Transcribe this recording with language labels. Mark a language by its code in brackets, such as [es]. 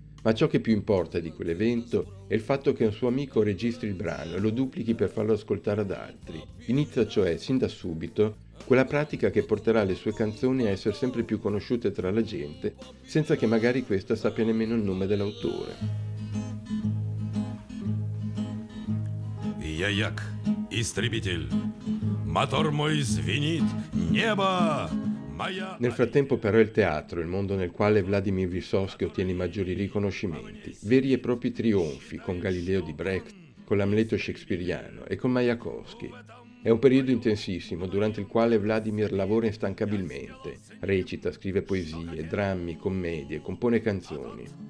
[it] Ma ciò che più importa di quell'evento è il fatto che un suo amico registri il brano e lo duplichi per farlo ascoltare ad altri. Inizia cioè, sin da subito, quella pratica che porterà le sue canzoni a essere sempre più conosciute tra la gente, senza che magari questa sappia nemmeno il nome dell'autore. [ru] Я як истребитель, мотор мой звенит, небо моя. [it] Nel frattempo però il teatro, il mondo nel quale Vladimir Vysotsky ottiene i maggiori riconoscimenti, veri e propri trionfi con Galileo di Brecht, con l'Amleto shakespeariano e con Majakovskij. È un periodo intensissimo durante il quale Vladimir lavora instancabilmente, recita, scrive poesie, drammi, commedie, compone canzoni.